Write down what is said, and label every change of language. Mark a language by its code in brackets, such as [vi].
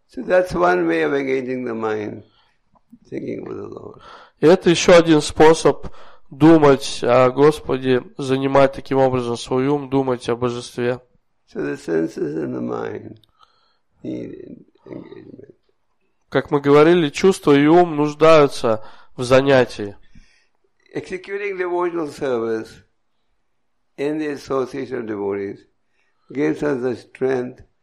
[en] So that's one way of engaging the mind. Thinking with the Lord. [ru] И это еще один способ думать о Господе, занимать таким образом свой ум, думать о Божестве. [en] So the senses and the mind need engagement. [ru] Как мы говорили, чувства и ум нуждаются в занятии. [en] Executing devotional service in the association of devotees gives us the strength.